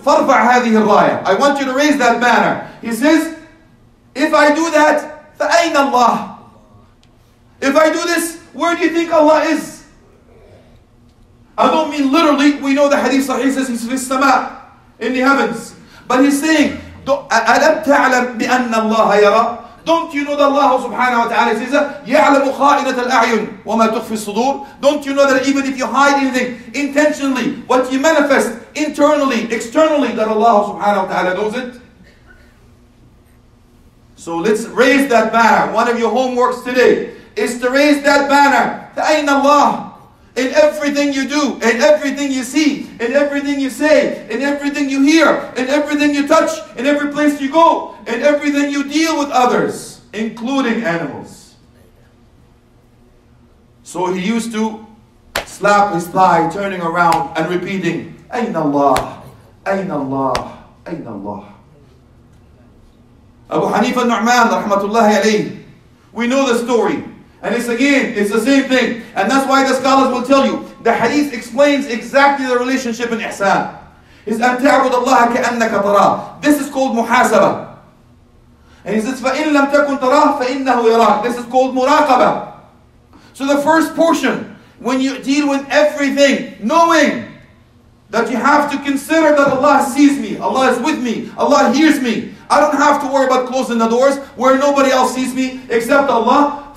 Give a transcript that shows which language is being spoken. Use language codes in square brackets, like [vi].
[ar] فَرْفَعْ هَذِهِ الرَّايَةِ. [en] I want you to raise that banner. He says, if I do that, [ar] فَأَيْنَ اللَّهِ. [en] If I do this, where do you think Allah is? I don't mean literally. We know the hadith sahih says, he's [ar] fis sama, [en] in the heavens. But he's saying, [ar] أَلَمْ تَعْلَمْ بِأَنَّ اللَّهَ يَرَى. [en] Don't you know that Allah subhanahu wa ta'ala says, [ar] يَعْلَمُ خَائِنَةَ الْأَعْيُنِ وَمَا تُخْفِي الصُّدُورِ. [en] Don't you know that even if you hide anything intentionally, what you manifest internally, externally, that Allah subhanahu wa ta'ala knows it? So let's raise that banner. One of your homeworks today is to raise that banner. [ar] فَأَيْنَ اللَّهُ. [en] in everything you do, in everything you see, in everything you say, in everything you hear, in everything you touch, in every place you go, in everything you deal with others, including animals. So he used to slap his thigh, turning around and repeating, [ar] Ayn Allah, Ayn Allah, Ayn Allah. [en] Abu Hanifa al-Nu'man, rahmatullahi alayhi. We know the story. And it's again, it's the same thing. And that's why the scholars will tell you, the hadith explains exactly the relationship in ihsan. It's [ar] أَن تَعْبُدَ اللَّهَ كَأَنَّكَ تَرَاهُ. [en] This is called muhasaba. And he says, [ar] فَإِن لَمْ تَكُنْ تَرَاهُ فَإِنَّهُ يَرَاهُ. [en] This is called muraqaba. So the first portion, when you deal with everything, knowing that you have to consider that Allah sees me, Allah is with me, Allah hears me. I don't have to worry about closing the doors where nobody else sees me except Allah.